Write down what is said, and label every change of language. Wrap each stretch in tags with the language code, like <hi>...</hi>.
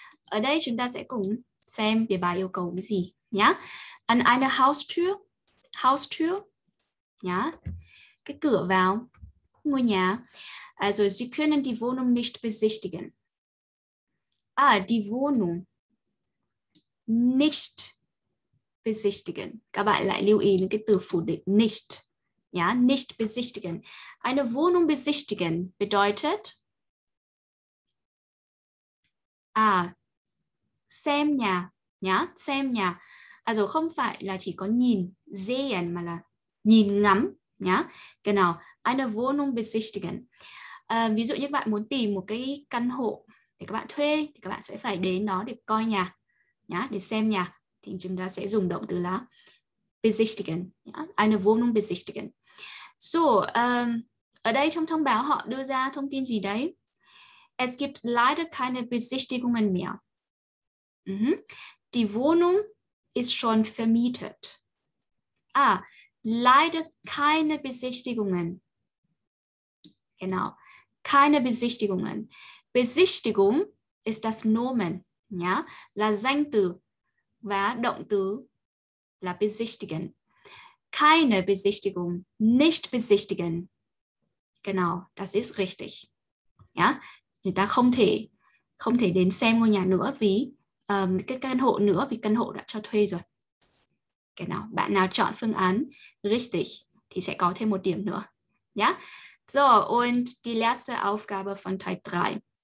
<vi>Ở đây chúng ta sẽ cùng xem về bài yêu cầu cái gì.</vi> <de>Ja, an eine Haustür, ja,</de> <vi>cái cửa vào ngôi nhà.</vi> <de>Also, Sie können die Wohnung nicht besichtigen. Ah, die Wohnung nicht besichtigen.</de> <vi>Các bạn lại lưu ý cái từ phủ định,</vi> <de>nicht, ja, nicht besichtigen. Eine Wohnung besichtigen bedeutet,</de> <vi>xem nhà, ja, xem nhà. Also không phải là chỉ có nhìn, sehen, mà là nhìn ngắm nhá.</vi> <de>Genau, eine Wohnung besichtigen.</de> <vi>Ví dụ như các bạn muốn tìm một cái căn hộ để các bạn thuê, thì các bạn sẽ phải đến đó để coi nhà, nhá, để xem nhà. Thì chúng ta sẽ dùng động từ là besichtigen, nhá.</vi> <de>Eine Wohnung besichtigen.</de> <vi>So, ở đây trong thông báo họ đưa ra thông tin gì đấy?</vi> <de>Es gibt leider keine Besichtigungen mehr. Mm-hmm. Die Wohnung ist schon vermietet. Ah, leider keine Besichtigungen. Genau, keine Besichtigungen. Besichtigung ist das Nomen, ja,</de> <vi>là danh từ và động từ là</vi> <de>besichtigen. Keine Besichtigung, nicht besichtigen. Genau, das ist richtig.</de> <vi>Ja, người ta không thể đến xem ngôi nhà nữa vì cái căn hộ nữa vì căn hộ đã cho thuê rồi. Cái nào bạn nào chọn phương án richtig thì sẽ có thêm một điểm nữa nhá.</vi> <de>So, und die letzte Aufgabe von Teil 3.</de>